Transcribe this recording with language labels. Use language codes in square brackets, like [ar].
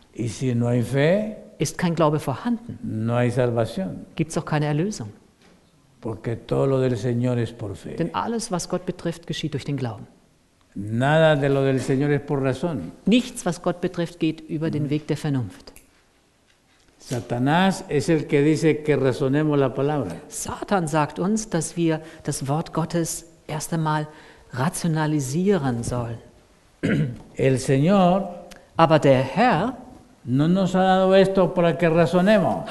[es] Y si no hay fe, [de] ist kein Glaube vorhanden, [es] no hay salvación. [de] Gibt's auch keine Erlösung. [es] Porque todo lo del Señor es por fe. [de] Denn alles, was Gott betrifft, geschieht durch den Glauben. [es] Nada de lo del Señor es por razón. [de] Nichts, was Gott betrifft, geht über den Weg der Vernunft. [es] Satanás es el que dice que razonemos la palabra. [de] Satan sagt uns, dass wir das Wort Gottes erst einmal rationalisieren soll. [es] El Señor, [de] aber der Herr, [es] no nos ha dado esto para que razonemos.